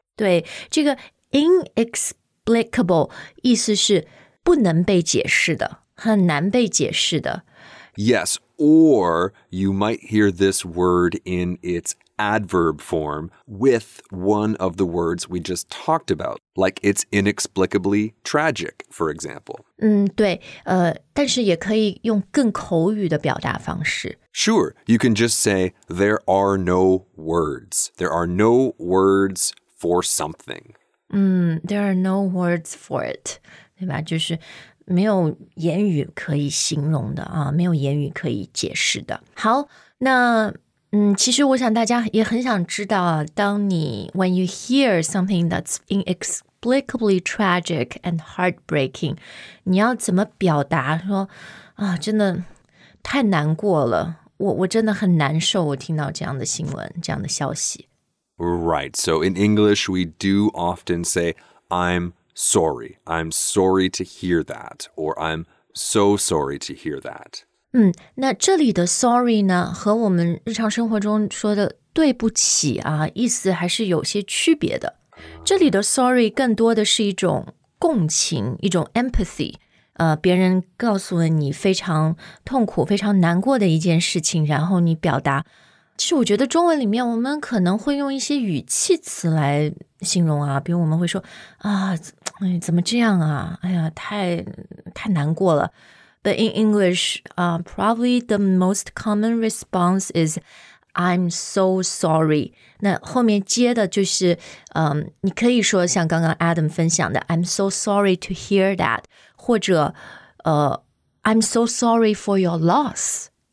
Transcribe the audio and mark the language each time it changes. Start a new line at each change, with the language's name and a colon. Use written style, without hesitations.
Chinese: 对，这个 inexplicable 意思是不能被解释的，很难被解释的。
English: Yes, or you might hear this word in its adverb form with one of the words we just talked about, like it's inexplicably tragic, for example.
Chinese: 对，但是也可以用更口语的表达方式。
English: Sure, you can just say, there are no words. There are no words for something. There are no words for it.
Chinese: 对吧，就是没有言语可以形容的啊，没有言语可以解释的。好，那其实我想大家也很想知道啊，当你
English: when you hear something that's inexplicably tragic and heartbreaking,
Chinese: 你要怎么表达说啊，真的太难过了，我真的很难受，我听到这样的新闻，这样的消息。
English: Right, so in English, we do often say, I'm sorry. I'm sorry to hear that, or I'm so sorry to hear that.
Chinese: 那这里的 sorry 呢，和我们日常生活中说的对不起啊，意思还是有些区别的。这里的 sorry 更多的是一种共情，一种 empathy。别人告诉了你非常痛苦，非常难过的一件事情，然后你表达。其实我觉得中文里面我们可能会用一些语气词来形容啊，比如我们会说啊，哎，怎么这样啊，哎呀，太难过了。
English: But in English, probably the most common response is, I'm so sorry.
Chinese: 那后面接的就是，你可以说像刚刚 Adam 分享的
English: I'm so sorry to hear that,
Chinese: 或者
English: I'm so sorry for your loss.